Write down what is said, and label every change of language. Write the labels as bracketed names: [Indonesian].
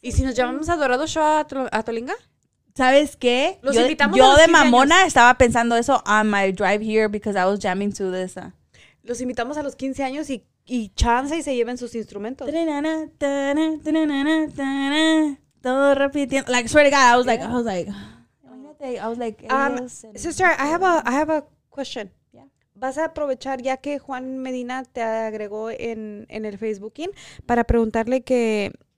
[Spanish] ¿Y si nos llamamos a Dorado Show a Tolinga? ¿Sabes qué? Los invitamos yo de mamona estaba pensando eso [English] on my drive here because I was jamming to this. [Spanish] Los invitamos a los 15 años y chance y se lleven sus instrumentos. Todo repitiendo. [English] Like, swear to God, I was like, sister, I have a question. [Spanish] ¿Vas a aprovechar ya que Juan Medina te agregó en el Facebooking para preguntarle que...